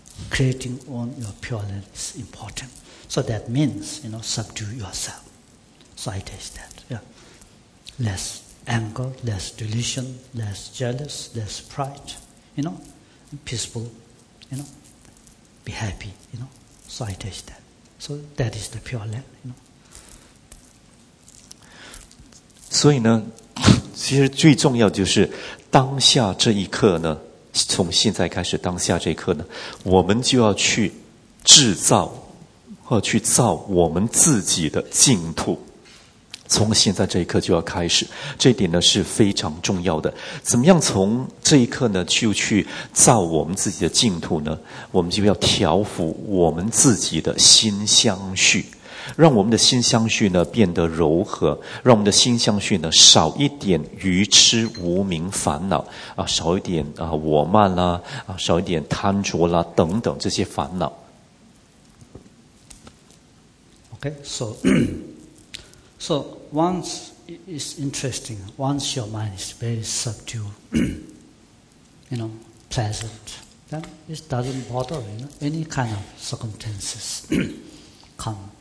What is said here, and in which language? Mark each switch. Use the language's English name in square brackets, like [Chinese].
[English] Creating on your pure land is important. So that means, you know, subdue yourself. So I teach that. Yeah. Less anger, less delusion, less jealous, less pride, you know, peaceful, you know, be happy, you know. So I teach that. So that is the pure land, you know. So, you know, [Chinese] 其实最重要就是当下这一刻呢，从现在开始，当下这一刻呢，我们就要去制造或去造我们自己的净土，从现在这一刻就要开始，这点呢是非常重要的。怎么样从这一刻呢就去造我们自己的净土呢？我们就要调伏我们自己的心相续，让我们的心相续呢变得柔和，让我们的心相续呢少一点愚痴无明烦恼啊，少一点啊我慢啦 啊少一点贪着啦等等这些烦恼。 [English] Okay, so once it's interesting, once your mind is very subdued, you know, pleasant, then it doesn't bother you know, any kind of circumstances come.